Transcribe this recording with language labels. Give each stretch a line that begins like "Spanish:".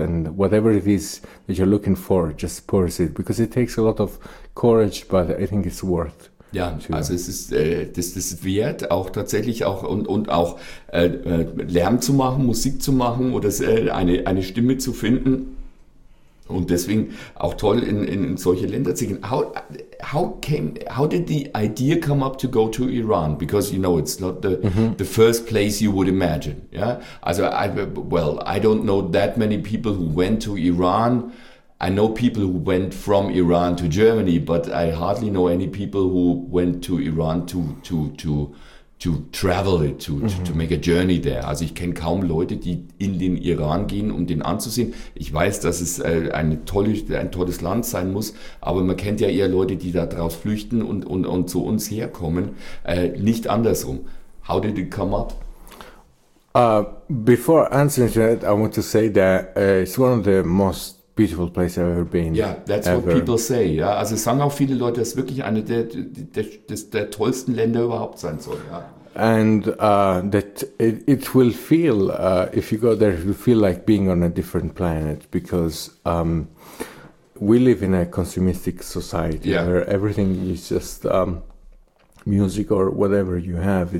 English: And whatever it is that you're looking for, just pursue it, because it takes a lot of courage, but I think it's worth.
German: Ja, also es ist das wert, auch tatsächlich auch und auch Lärm zu machen, Musik zu machen oder eine Stimme zu finden. Und deswegen auch toll in solche Länder zu gehen.
English: How did the idea come up to go to Iran? Because you know it's not the first place you would imagine. Yeah. Also I don't know that many people who went to Iran. I know people who went from Iran to Germany, but I hardly know any people who went to Iran to to travel it, to make a journey there.
German: Also ich kenne kaum Leute, die in den Iran gehen, um den anzusehen. Ich weiß, dass es ein tolles Land sein muss, aber man kennt ja eher Leute, die da draus flüchten und zu uns herkommen, nicht andersrum.
English: How did it come up? Before answering that, I want to say that it's one of the most beautiful place I've ever been. Yeah, that's ever. What people say.
German: Yeah, also sagen auch viele Leute, es ist wirklich eine der tollsten Länder überhaupt sein soll. Ja.
English: And that it will feel if you go there, it will feel like being on a different planet because we live in a consumistic society where everything is just music or whatever you have.